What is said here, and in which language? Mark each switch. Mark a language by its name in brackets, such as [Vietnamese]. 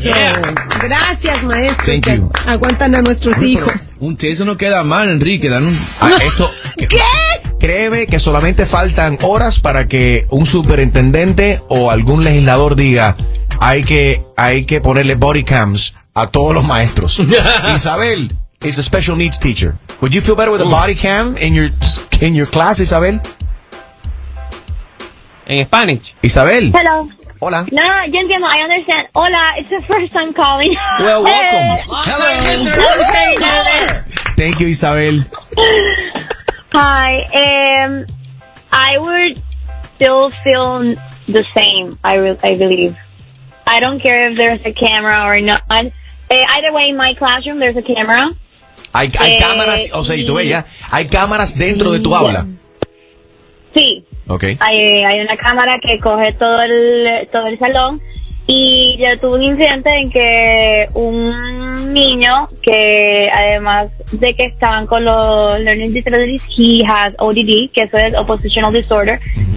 [Spanish] Eso, yeah. Gracias, maestro. [English] Thank you. [Spanish] Aguantan a nuestros hijos. Un teso no queda mal, Enrique, dan un... ¿Qué? Créeme que solamente faltan horas para que un superintendente o algún legislador diga, hay que ponerle body cams a todos los maestros. [English] Isabel is a special needs teacher. Would you feel better with a body cam in your class, Isabel? En Spanish. Isabel. Hello. [Spanish] Hola. No, yo entiendo. [English] I understand. [Spanish] Hola, [English] it's the first time calling. Well, welcome. Hello. Hello. Hello. Thank you, Isabel. Hi. I would still feel the same, I believe. I don't care if there's a camera or not. Either way, in my classroom, there's a camera. [Spanish] Hay cámaras, o sea, y tú ves ya, hay cámaras dentro de tu aula. Sí. Okay. Hay una cámara que coge todo el salón. Y yo tuve un incidente en que un niño, que además de que estaban con los learning disabilities, [English] he has ODD, [Spanish] que eso es oppositional disorder. Mm-hmm.